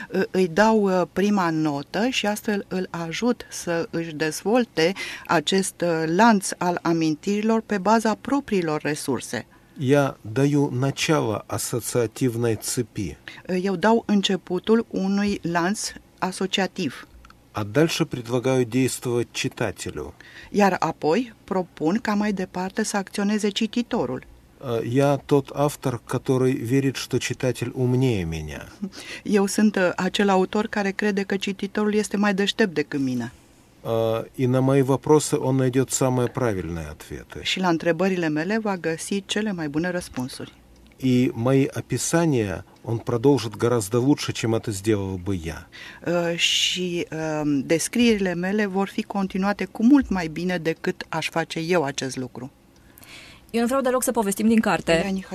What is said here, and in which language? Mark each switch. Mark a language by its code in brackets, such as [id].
[ro] Îi dau prima notă și astfel îl ajut să își dezvolte acest lanț al amintirilor pe baza propriilor resurse. [ru] Я даю начало ассоциативной цепи. [ro] Eu dau începutul unui lanț asociativ. [ru] А дальше предлагаю действовать читателю. [ro] Iar apoi propun ca mai departe să acționeze cititorul. [ru] Я тот автор, который верит, что читатель умнее меня. [ro] Eu sunt acel autor care crede că cititorul este mai deștept decât mine. [ru] И на мои вопросы он найдет самые правильные ответы. [ro] Și la întrebările mele va găsi cele mai bune răspunsuri. [ru] И мои описания он продолжит гораздо лучше, чем это сделал бы я. [ro] Și descrierile mele vor fi continuate cu mult mai bine decât aș face eu acest lucru. Eu nu vreau deloc să povestim din carte.